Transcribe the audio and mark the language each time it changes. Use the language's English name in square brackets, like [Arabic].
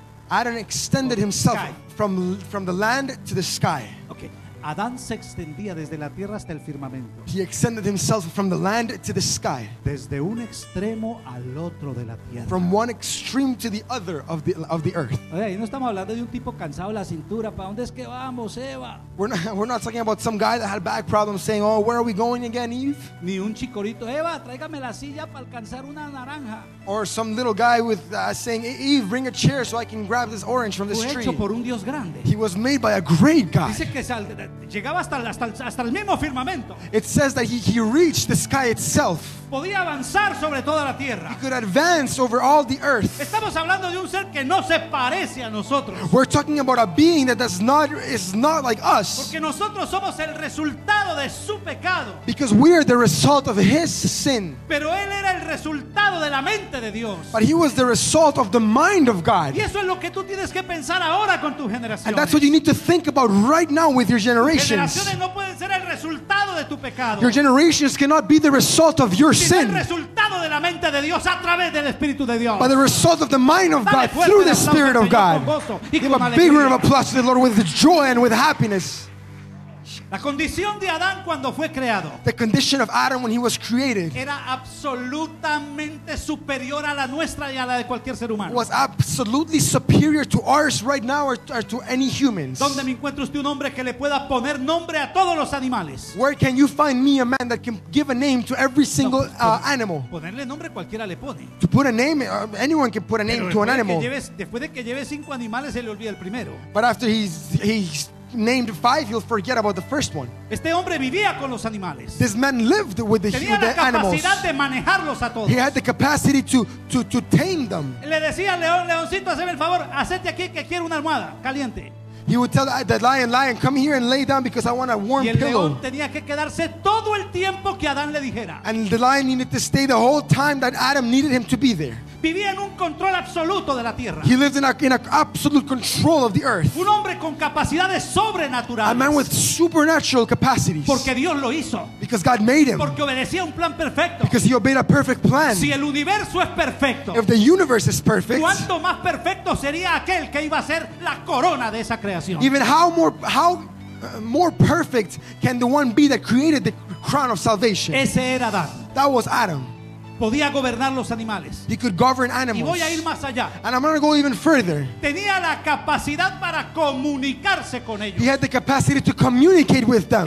[English] Adam extended himself from the land to the sky. Okay. [Spanish] Adán se extendía desde la tierra hasta el firmamento. [English] He extended himself from the land to the sky. [Spanish] Desde un extremo al otro de la tierra. [English] From one extreme to the other of the earth. [Spanish] Okay, no estamos hablando de un tipo cansado la cintura. ¿Para dónde es que vamos, Eva? [English] We're not talking about some guy that had back problems saying, oh, where are we going again, Eve? [Spanish] Ni un chicorito, Eva, tráigame la silla para alcanzar una naranja. [English] Or some little guy with saying, Eve, bring a chair so I can grab this orange from this tree. [Spanish] Hecho por un Dios grande. [English] He was made by a great God. [Spanish] Dice que saldrá. Llegaba hasta el mismo firmamento. [English] It says that he reached the sky itself. [Spanish] Podía avanzar sobre toda la tierra. [English] He could advance over all the earth. [Spanish] Estamos hablando de un ser que no se parece a nosotros. [English] We're talking about a being that is not like us. [Spanish] Porque nosotros somos el resultado de su pecado. [English] Because we are the result of his sin. [Spanish] Pero él era el resultado de la mente de Dios. [English] But he was the result of the mind of God. [Spanish] Y eso es lo que tú tienes que pensar ahora con tu generación. [English] And that's what you need to think about right now with your generations. [Spanish] Generaciones no pueden ser el resultado de tu pecado. [English] Your generations cannot be the result of your sin. [Spanish] El resultado de la mente de Dios a través del Espíritu de Dios. [English] By the result of the mind of God through the Spirit of God. Give a big round of applause to the Lord with joy and with happiness. [Spanish] La condición de Adán cuando fue creado. [English] The condition of Adam when he was created. [Spanish] Era absolutamente superior a la nuestra y a la de cualquier ser humano. [English] Was absolutely superior to ours right now or to any humans. [Spanish] ¿Dónde me encuentro usted un hombre que le pueda poner nombre a todos los animales? [English] Where can you find me a man that can give a name to every single animal? [Spanish] Ponerle nombre cualquiera le pone. [English] To put a name, anyone can put a name to an animal. [Spanish] Después de que lleve cinco animales se le olvida el primero. [English] But after he's named five, you'll forget about the first one. [Spanish] Este hombre vivía con los animales. [English] This man lived with the animals. [Spanish] Tenía la capacidad de manejarlos a todos. [English] He had the capacity to tame them. [Spanish] Le decía león, leoncito, hazme el favor, hazte aquí que quiero una almohada caliente. [English] He would tell the lion, come here and lay down because I want a warm pillow. [Spanish] Y el león tenía que quedarse todo el tiempo que Adán le dijera. [English] And the lion needed to stay the whole time that Adam needed him to be there. [Spanish] Vivía en un control absoluto de la tierra. [English] He lived in a absolute control of the earth. [Spanish] Un hombre con capacidades sobrenaturales. [English] A man with supernatural capacities. [Spanish] Porque Dios lo hizo. [English] Because God made him. [Spanish] Porque obedecía un plan perfecto. [English] Because he obeyed a perfect plan. [Spanish] Si el universo es perfecto. [English] If the universe is perfect. [Spanish] ¿Cuánto más perfecto sería aquel que iba a ser la corona de esa creación? [English] Even how more perfect can the one be that created the crown of salvation? [Spanish] Ese era Adán. [English] That was Adam. [Spanish] Podía gobernar los animales. [English] He could govern animals. [Spanish] Y voy a ir más allá. [English] And I'm going to go even further. [Spanish] Tenía la capacidad para comunicarse con ellos. [English] He had the capacity to communicate with them.